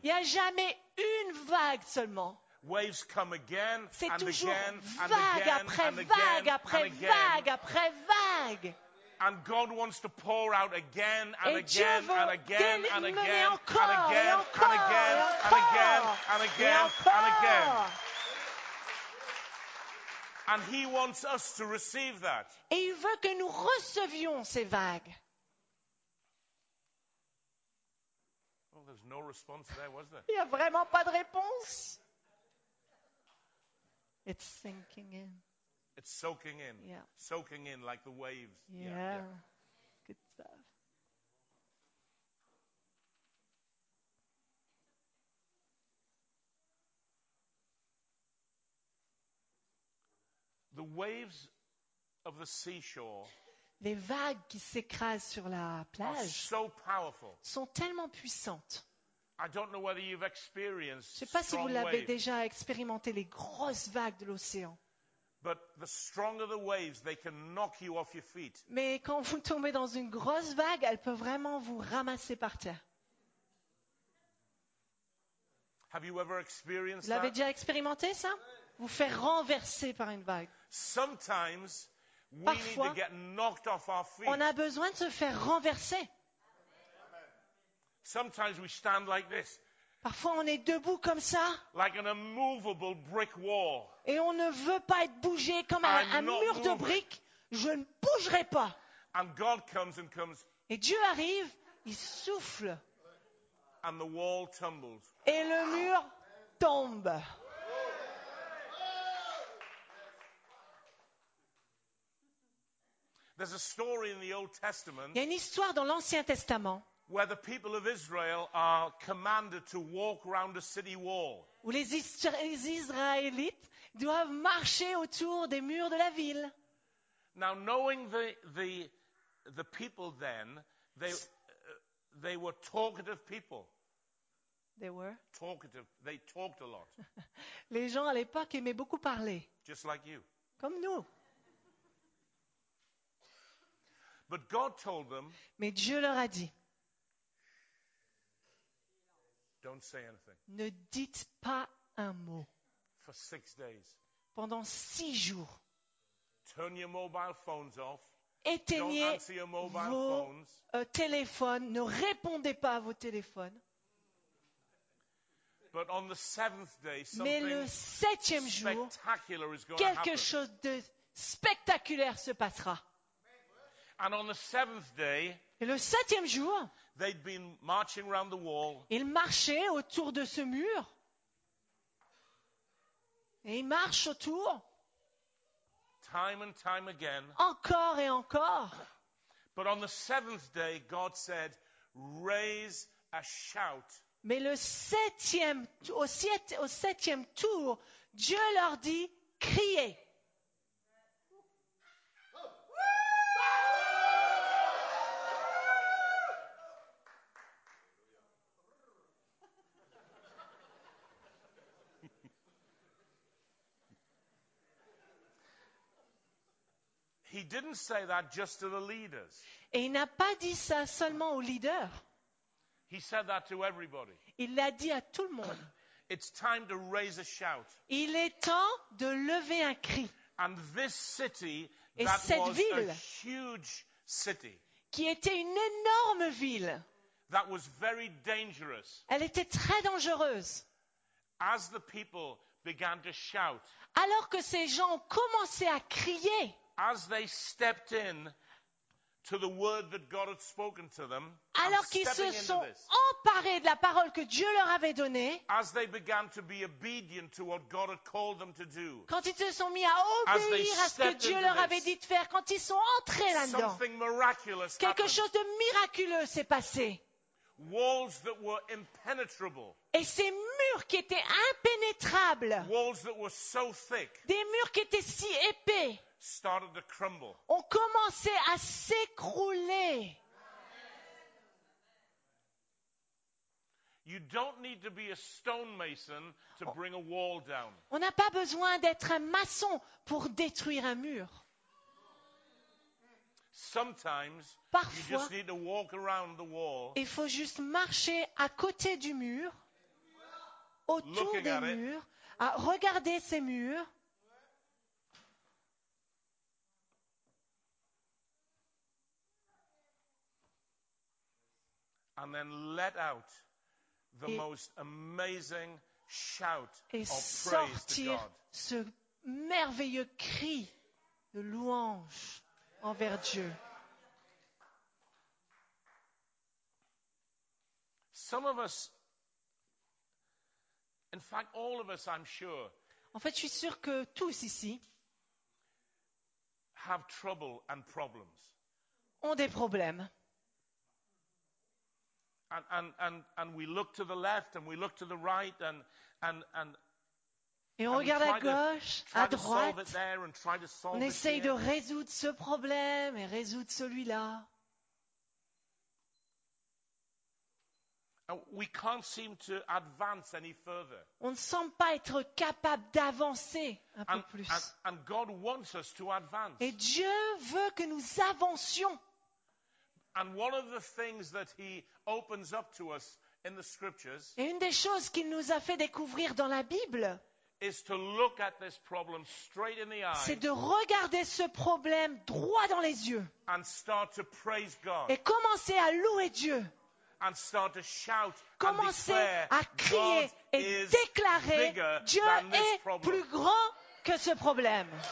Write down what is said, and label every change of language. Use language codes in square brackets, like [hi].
[fr] Il n'y a jamais une vague seulement. [en] Waves come again [fr] c'est [en] and [fr] toujours [en] again, [fr] vague après vague après vague après vague. [en] And God wants to pour out again and [fr] et [en] again and again and again and again [fr] encore, [en] and again [fr] encore, [en] and again and again and again and again and again and again. And he wants us to receive that. [fr] Et il veut que nous recevions ces vagues. [en] Well, there's no response there, was there? [fr] Il n'y a vraiment pas de réponse. [en] It's sinking in. It's soaking in. Yeah. Soaking in like the waves. Yeah. Yeah. Good stuff. The waves of the seashore, [fr] les vagues qui s'écrasent sur la plage, [en] are so powerful, [fr] sont tellement puissantes. [en] I don't know whether you've experienced, [fr] je ne sais pas si vous l'avez [en] waves, [fr] déjà expérimenté, les grosses vagues de l'océan. [en] But the stronger the waves, they can knock you off your feet. [fr] Mais quand vous tombez dans une grosse vague, elle peut vraiment vous ramasser par terre. [en] Have you ever experienced that? [fr] Vous l'avez déjà expérimenté ça? Vous faire renverser par une vague. [en] Sometimes we [fr] parfois, [en] need to get knocked off our feet. [fr] On a besoin de se faire renverser. [en] Sometimes we stand like this. [fr] Parfois, on est debout comme ça. [en] Like an immovable brick wall. [fr] Et on ne veut pas être bougé comme un mur de briques. Je ne bougerai pas. [en] And God comes and comes. [fr] Et Dieu arrive, il souffle. [en] And the wall tumbles. [fr] Et le mur tombe. [en] There's a story in the Old Testament. [fr] Il y a une histoire dans l'Ancien Testament. [en] Where the people of Israel are commanded to walk around a city wall. [fr] Où les Israélites doivent marcher autour des murs de la ville. [en] Now knowing the people then, they were talkative people. They were talkative. They talked a lot. [fr] Les gens à l'époque aimaient beaucoup parler. [en] Just like you. [fr] Comme nous. [en] But God told them, [fr] mais Dieu leur a dit, [en] Don't say anything. [fr] Ne dites pas un mot. [en] For 6 days. [fr] Pendant 6 jours. [en] Turn your mobile phones off. [fr] Éteignez vos téléphones. Ne répondez pas à vos téléphones. [en] But on the seventh day, something [fr] Mais le septième jour, [en] spectacular is going [fr] quelque [en] to happen. [fr] Chose de spectaculaire se passera. [en] And on the seventh day, [fr] Et le septième jour, [en] they'd been marching around the wall. [fr] Ils marchaient autour de ce mur. Et ils marchent autour. [en] Time and time again. [fr] Encore et encore. [en] But on the seventh day, God said, raise a shout. [fr] Mais le septième, au septième tour, Dieu leur dit, criez. [en] He didn't say that just to the leaders. [fr] Et il n'a pas dit ça seulement aux leaders. [en] He said that to everybody. [fr] Il l'a dit à tout le monde. [en] It's time to raise a shout. [fr] Il est temps de lever un cri. [en] And this city, [fr] Et [en] that [fr] cette [en] was [fr] ville, [en] a huge city, [fr] qui était une énorme ville, [en] that was very dangerous. [fr] Elle était très dangereuse. [en] As the people began to shout, [fr] alors que ces gens ont commencé à crier, [en] as they stepped in to the word that God had spoken to them, [fr] alors qu'ils se sont emparés de la parole que Dieu leur avait donnée, [en] as they began to be obedient to what God had called them to do, [fr] quand ils se sont mis à obéir à ce que Dieu leur avait dit de faire, quand ils sont entrés là-dedans, [en] something miraculous happened. [fr] Quelque chose de miraculeux s'est passé. [en] Walls that were impenetrable. [fr] Et ces murs qui étaient impénétrables, [en] walls that were so thick, [fr] des murs qui étaient si épais, [en] started to crumble. [fr] On commençait à s'écrouler. [en] You don't need to be a stonemason to bring a wall down. [fr] On n'a pas besoin d'être un maçon pour détruire un mur. [en] Sometimes [fr] Parfois, [en] you just need to walk around the wall. [fr] Il faut juste marcher à côté du mur, autour des murs, à regarder ces murs. [en] And then let out the most amazing shout of praise to God. [fr] Et sortir ce merveilleux cri de louange envers Dieu. [en] Some of us, in fact, all of us, I'm sure, [fr] en fait, je suis sûr que tous ici [en] have trouble and problems. [fr] Ont des problèmes. [en] And we look to the left and we look to the right and [fr] Et on regarde à gauche, [en] to, [fr] à droite. On essaye de résoudre ce problème et résoudre celui-là. [en] We can't seem to advance any further. [fr] On ne semble pas être capable d'avancer peu plus. [en] And God wants us to advance. [fr] Et Dieu veut que nous avancions. [en] And one of the things that he opens up to us in the scriptures, [fr] et une des choses qu'il nous a fait découvrir dans la Bible, [en] is to look at this problem straight in the eye, [fr] c'est de regarder ce problème droit dans les yeux, [en] and start to praise God, [fr] et commencer à louer Dieu, [en] and start to shout, [fr] commencer [en] and declare, [fr] à crier [en] God [fr] et déclarer, Dieu est [en] problem. [fr] Plus grand que ce problème.